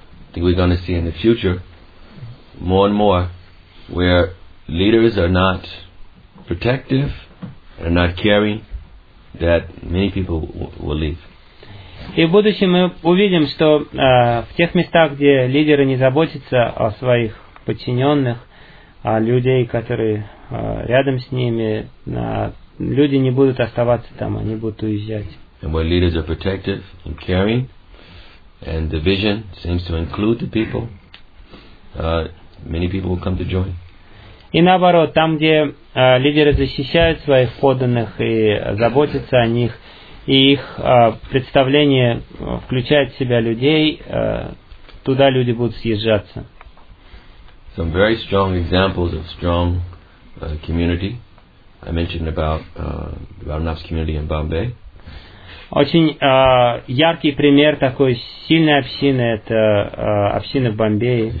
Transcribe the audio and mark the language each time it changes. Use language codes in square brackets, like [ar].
[en] I think we're going to see in the future more and more where leaders are not protective and are not caring that many people will leave. [ru] И в будущем мы увидим, что в тех местах, где лидеры не заботятся о своих подчиненных, о людей, которые рядом с ними, люди не будут оставаться там, они будут уезжать. [en] And where leaders are protective and caring, and the vision seems to include the people, many people will come to join. [ru] И наоборот, там, где лидеры защищают своих подданных и заботятся о них, и их представление включает в себя людей, туда люди будут съезжаться. [en] Some very strong examples of strong community. I mentioned about the Ramnath's community in Bombay. [ru] Очень яркий пример такой сильной общины – это община в Бомбее.